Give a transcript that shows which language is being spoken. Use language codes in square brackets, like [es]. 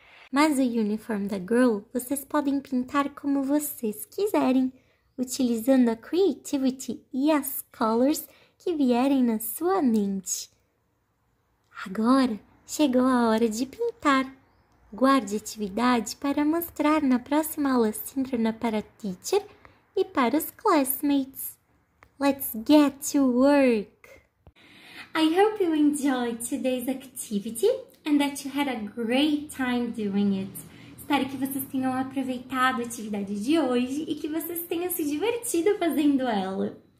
[pt] Mas o uniform da girl vocês podem pintar como vocês quiserem, utilizando a creativity e as colors que vierem na sua mente. Agora chegou a hora de pintar. Guarde a atividade para mostrar na próxima aula síncrona para a teacher e para os classmates. [en] Let's get to work! I hope you enjoyed today's activity and that you had a great time doing it. [pt] Espero que vocês tenham aproveitado a atividade de hoje e que vocês tenham se divertido fazendo ela.